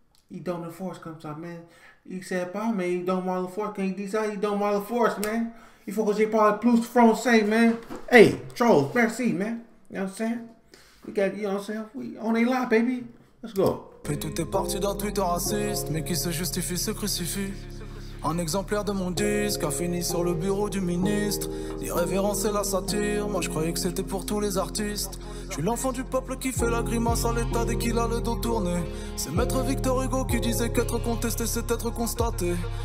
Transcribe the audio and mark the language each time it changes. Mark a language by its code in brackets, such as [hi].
[fr] Il donne le force comme ça, man. Il sait pas, mais il donne moi le force. Quand il dit ça, il donne moi le force, man. Il faut que j'ai parlé plus français, man. [en] Hey, trolls, merci, man. You know what I'm saying? We got, you know what I'm saying? We, [fr] on est là, [en] baby. Let's go. [fr] Puis tout est parti d'un Twitter raciste, mais qui se justifie, se crucifie. Un exemplaire de mon disque a fini sur le bureau du ministre. L'irrévérence et la satire, moi je croyais que c'était pour tous les artistes. Je suis l'enfant du peuple qui fait la grimace à l'état dès qu'il a le dos tourné. C'est Maître Victor Hugo qui disait qu'être contesté c'est être constaté.